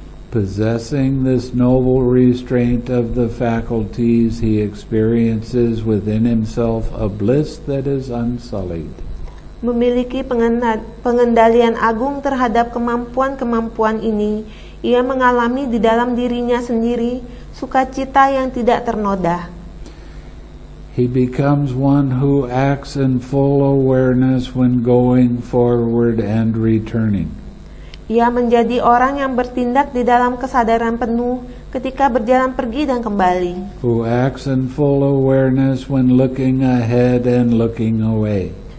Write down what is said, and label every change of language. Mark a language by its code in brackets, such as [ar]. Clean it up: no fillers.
[en] Possessing this noble restraint of the faculties, he experiences within himself a bliss that is unsullied. [id] Memiliki pengendalian agung terhadap kemampuan-kemampuan ini, ia mengalami di dalam dirinya sendiri sukacita yang tidak ternoda. [en] He becomes one who acts in full awareness when going forward and returning. [id] Ia menjadi orang yang bertindak di dalam kesadaran penuh ketika berjalan pergi dan kembali. [en] Who acts in full awareness when looking ahead and looking away.